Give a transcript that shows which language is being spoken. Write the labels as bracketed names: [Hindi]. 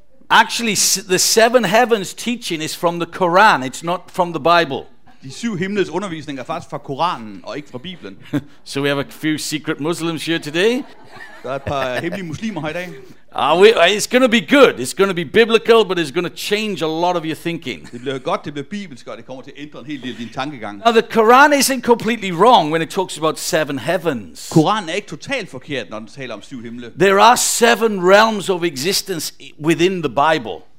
[English] Actually, the seven heavens teaching is from the Quran. It's not from the Bible. [Danish] De syv himles undervisning er faktisk fra Koranen og ikke fra Bibelen. [English] So we have a few secret Muslims here today. [Danish] Der er et par hemmelige muslimer her i dag. [English] It's going to be good. It's going to be biblical, but it's going to change a lot of your thinking. [Danish] Det bliver godt, det bliver bibelsk, og det kommer til at ændre en hel del din tankegang. [English] Now the Quran isn't completely wrong when it talks about seven heavens. [Danish] Koranen er ikke totalt forkert, når den taler om syv himle. [English] There are seven realms of existence within the Bible.